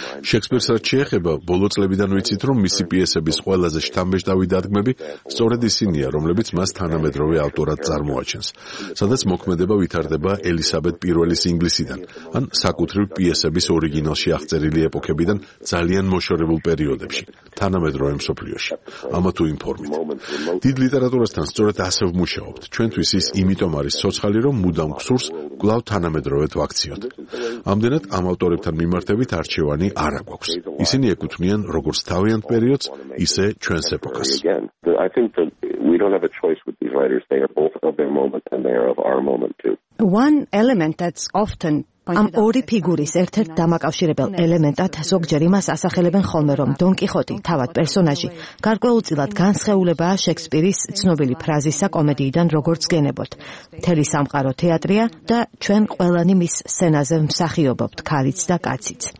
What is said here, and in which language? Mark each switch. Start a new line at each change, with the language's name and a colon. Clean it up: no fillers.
Georgian: შექსპირს რაც შეეხება, ბოლო წლებიდან ვიცით, რომ მისი პიესების ყველაზე შთამბეჭდავი დადგმები სწორედ ისინია, რომლებიც მას თანამედროვე ავტორად წარმოაჩენს, სადაც მოქმედება ვითარდება ელისაბედ პირველის ინგლისიდან, ან საკუთრივ პიესების ორიგინალში აღწერილი ეპოქებიდან ძალიან მოშორებულ პერიოდებში, თანამედროვე მსოფლიოში. ამა თუ იმ ფორმით. დიდ ლიტერატურასთან სწორედ ასე ვმუშაობთ. ჩვენთვის ის იმიტომ არის ცოცხალი, რომ მუდამ გსურს კვლავ თანამედროვე ვაქციოთ. ამდენად ამ ავტორებთან მიმართებით არჩევანი არ აქვს. ისინი ეკუთვნიან როგორც თავიანთ პერიოდს, ისე ჩვენს ეპოქას.
English: I think that we don't have a choice with these writers. They are both of their moment and they are of our moment too. One element that's often
Georgian: ამ ორი ფიგურის ერთ-ერთ დამაკავშირებელ ელემენტად ზოგჯერ იმას ასახელებენ ხოლმე, რომ დონ კიხოტი, თავად პერსონაჟი, გარკვეულწილად განსხეულებაა შექსპირის ცნობილი ფრაზისა კომედიიდან როგორც გენებოთ. მთელი სამყარო თეატრია და ჩვენ ყველანი მის სცენაზე მსახიობობთ, ქალიც და კაციც.